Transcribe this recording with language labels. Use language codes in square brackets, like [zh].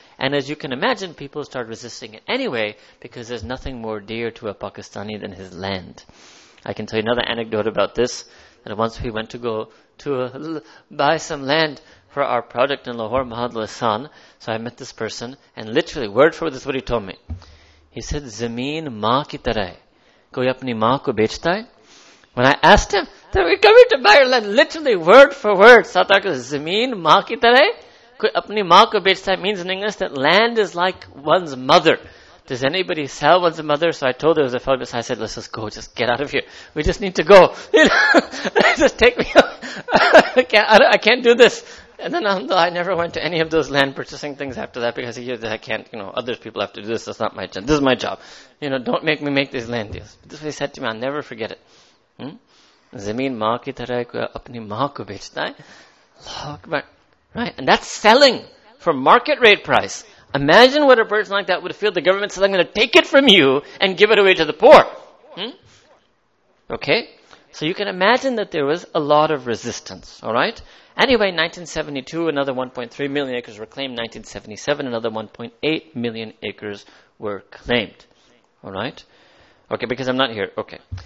[en] And as you can imagine, people start resisting it anyway because there's nothing more dear to a Pakistani than his land. I can tell you another anecdote about this, that once we went to go to buy some land for our project in Lahore, Mahad Lasan. So I met this person, and literally, word for word, this is what he told me. He said، [ur] زمین ماں کی طرح۔ کوئی اپنی ماں کو بیچتا ہے؟ [en] When I asked him, then we're coming to buy our land, literally, word for word, Sataka, [ur] Zameen maa ki tarah. Koi apni maa ko bechta hai [en] means in English that land is like one's mother. Does anybody sell one's mother? So I told her, it was a fellow, I said, let's just go, just get out of here. We just need to go. Just take me out. I can't do this. And then I never went to any of those land purchasing things after that because I can't, you know, other people have to do this. That's not my job. This is my job. You know, don't make me make these land deals. But this is what he said to me. I'll never forget it. [ur] زمین ماں کی طرح کوئی اپنی ماں کو بیچتا ہے۔ [en] Right? And that's selling for market rate price. Imagine what a person like that would feel. The government says, I'm going to take it from you and give it away to the poor. Okay? So you can imagine that there was a lot of resistance. All right? Anyway, 1972, another 1.3 million acres were claimed. 1977, another 1.8 million acres were claimed. All right? Okay, because I'm not here. Okay.